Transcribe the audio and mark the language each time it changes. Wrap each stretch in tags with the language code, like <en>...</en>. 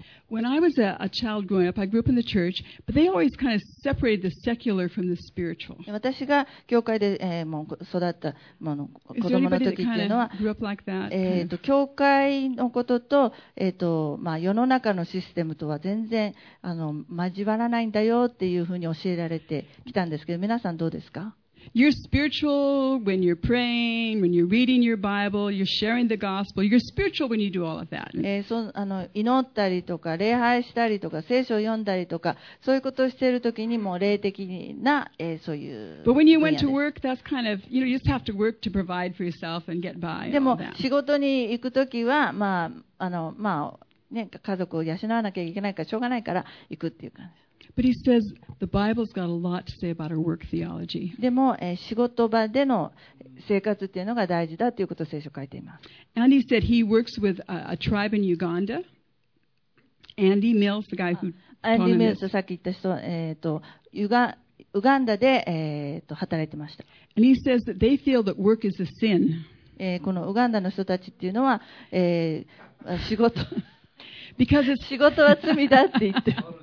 <en>When I was a child growing up, I grew up in the church, but they always kind of separated the secular from the spiritual.</en> <ja>私が教会で、もう育った子供の時っていうのは、教会のことと、世の中のシステムとは全然交わらないんだよっていうふうに教えられてきたんですけど、皆さんどうですか？</ja> <en>You're spiritual when you're praying, when you're reading your Bible, you're sharing the gospel. You're spiritual when you do all of that.</en> <ja>祈ったりとか礼拝したりとか聖書を読んだりとかそういうことをしているときにも霊的な、そういう分野</ja> <en>で。But when you went to work, that's kind of, you know, you just have to work to provide for yourself and get by.</en> <ja>でも仕事に行くときは、家族を養わなきゃいけないからしょうがないから行くっていう感じ。</ja> <en>But he says the Bible's got a lot to say about our work theology.</en> <ja>でも、仕事場での生活っていうのが大事だということを聖書書いています。</ja> <en>And he said he works with a tribe in Uganda. Andy Mills, the guy who</en> <ja>Andy Mills さっき言った人、ウガンダで、働いてました。</ja> <en>And he says that they feel that work is a sin.</en> <ja>このウガンダの人たちっていうのは、仕事</ja> <en>Because it's</en> <ja>仕事は罪だって言って。</ja>